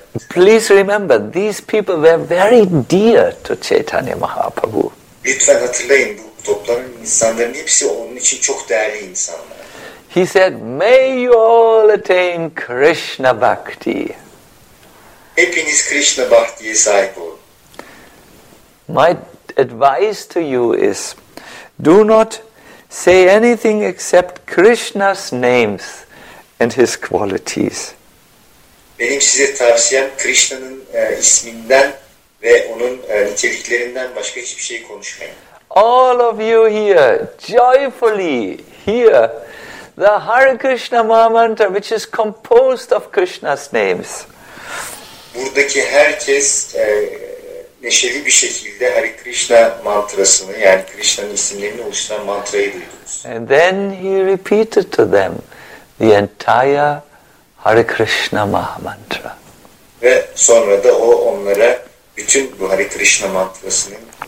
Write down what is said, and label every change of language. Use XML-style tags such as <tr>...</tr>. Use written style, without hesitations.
<en>Please remember, these people were very dear to Chaitanya Mahaprabhu.</en> <tr>Lütfen hatırlayın, bu toplanan insanların hepsi onun için çok değerli insanlar.</tr> <en>He said, may you all attain Krishna Bhakti.</en> <tr>Hepiniz Krishna Bhakti'ye sahip olun.</tr> <en>My advice to you is, do not say anything except Krishna's names and his qualities.</en> <tr>benim size tavsiyem Krishna'nın isminden ve onun niteliklerinden başka hiçbir şey konuşmayın.</tr> <en>All of you here, joyfully here, the Hare Krishna Mahamantra, which is composed of Krishna's names.</en> <tr>Buradaki herkes neşeli bir şekilde Hare Krishna mantrasını, yani Krishna'nın isimlerini oluşturan mantrayı duydunuz.</tr> <en>And then he repeated to them the entire Hare Krishna Mahamantra.</en> <tr>Ve sonra da o onlara bütün bu Hare Krishna mantrasının</tr>